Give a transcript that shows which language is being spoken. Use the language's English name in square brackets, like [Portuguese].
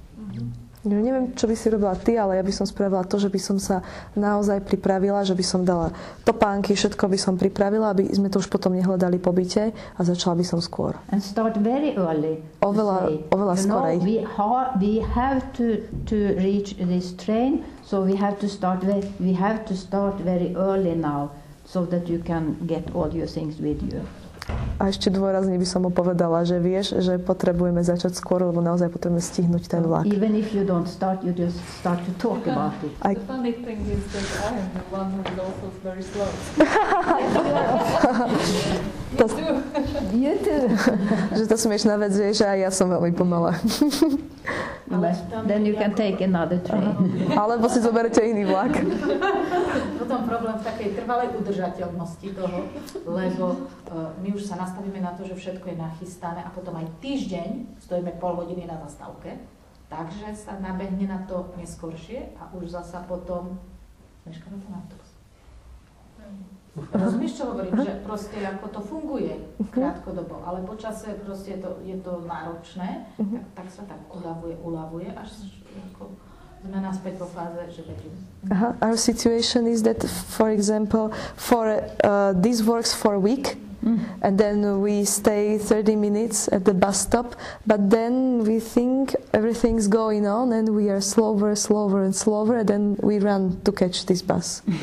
[Slovak] Mm-hmm. Ja neviem, čo by si robila ty, ale ja by som spravila to, že by som sa naozaj pripravila, že by som dala topánky, všetko by som pripravila, aby sme to už potom nehľadali po byte a začala by som skôr. [English] And start very early. [Slovak] Oveľa skorej. [English] You know, we have to reach this train, so we have to start very early now. So that you can get all your things with you. [Slovak] A ešte dôrazne by som mu povedala, že vieš, že potrebujeme začať skôr, lebo naozaj potrebujeme stihnúť ten vlak. [English] Even if you don't start, you just start to talk about it. The funny thing is that I am the one who is also very slow. You too. [Slovak] Že to smiešná vec je, že aj ja som veľmi pomalá. [English] Then you can take another train. [Slovak] Alebo si zoberete iný vlak. Potom problém v takej trvalej udržateľnosti toho, lebo my už sa nastavíme na to, že všetko je nachystané a potom aj týždeň stojíme pol hodiny na zastávke, takže sa nabehne na to neskoršie a už zasa potom meškáme ten autobus. Rozumieš, čo hovorím, že proste ako to funguje krátkodobo, ale počase proste je to náročné, tak sa tak uľavuje, až ako sme naspäť po fáze, že vedím. Uh-huh. [English] Our situation is that, for example, this works for a week, and then we stay 30 minutes at the bus stop, but then we think everything's going on and we are slower and then we run to catch this bus.